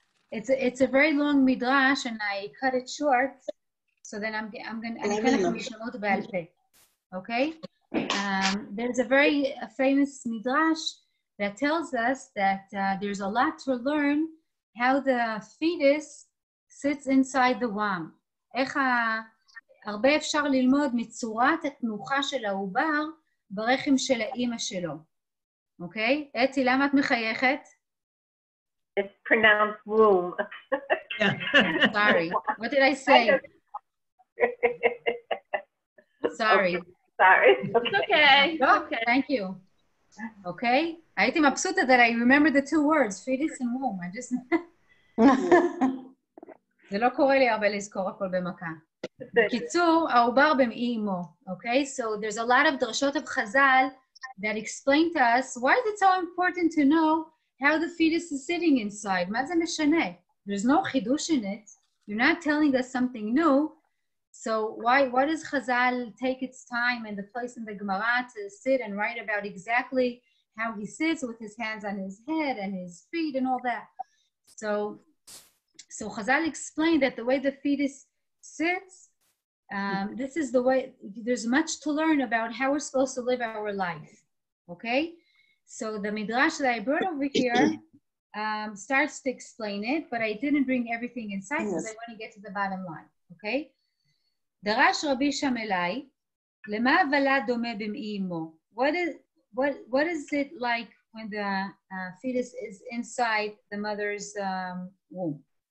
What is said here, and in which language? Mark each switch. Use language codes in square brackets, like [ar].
[en] It's a very long midrash, and I cut it short, so then I'm gonna okay? There's a very famous midrash that tells us that there's a lot to learn how the fetus sits inside the womb. [he] איך הרבה אפשר ללמוד מצורת התנוחה של העובר ברחם של האימא שלו. אוקיי? אתי, למה את מחייכת? [en] It's pronounced womb. Sorry. What did I say? Sorry. Sorry. Okay. Thank you. Okay. That I remember the two words, fetus and womb. I just... [he] זה לא קורה לי הרבה לזכור הכל במכה. קיצור, העובר במעי אמו. [en] Okay, so there's a lot of דרשות of חזל that explain to us why is it so important to know how the fetus is sitting inside. [he] מה זה משנה? [en] There's no חידוש in it. You're not telling us something new. So why does Chazal take its time and the place in the Gemara to sit and write about exactly how he sits with his hands on his head and his feet and all that? So Chazal explained that the way the fetus sits, this is the way, there's much to learn about how we're supposed to live our life, okay? So the Midrash that I brought over here starts to explain it, but I didn't bring everything inside because I want to get to the bottom line, okay? [he] דרש רבי שם אליי, למה הוולד דומה במעי אמו? [en] What is it like when the fetus is inside the mother's womb?